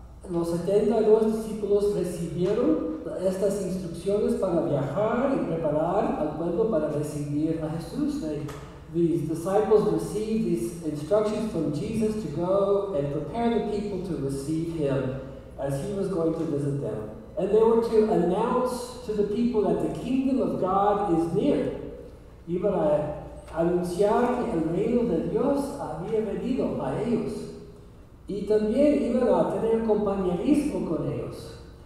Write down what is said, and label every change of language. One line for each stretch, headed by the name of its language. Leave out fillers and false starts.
Spanish: Los 72 discípulos recibieron estas instrucciones para viajar y preparar al pueblo para recibir a Jesús.
English: These disciples received these instructions from Jesus to go and prepare the people to receive him as he was going to visit them. And they were to announce to the people that the kingdom of God is near.
Spanish: Iban a anunciar que el reino de Dios había venido a ellos. Y también iban a tener compañerismo con ellos.